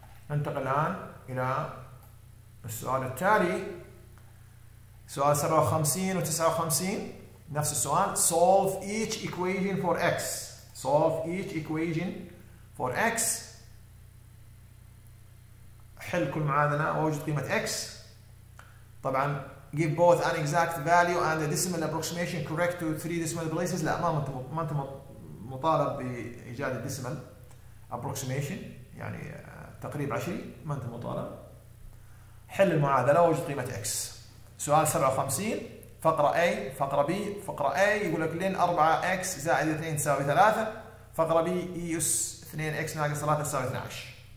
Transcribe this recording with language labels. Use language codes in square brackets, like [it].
[ar] ننتقل الآن إلى السؤال التالي، سؤال 57 و59 نفس السؤال. [en] solve each equation for x. solve each equation for x. [ar] حل كل معادلة ووجد قيمة x. طبعا [en] give both an exact value and a decimal approximation correct to three decimal places. [ar] لا، ما انت مطالب بإيجاد [en] decimal approximation، [ar] يعني تقريب عشري، ما انت مطالب. حل المعادلة ووجد قيمة x. سؤال 57 فقرة A فقرة B. فقرة A يقول لك لين 4x زائد 2 تساوي 3، فقرة B يس 2x ناقص 3 تساوي 12.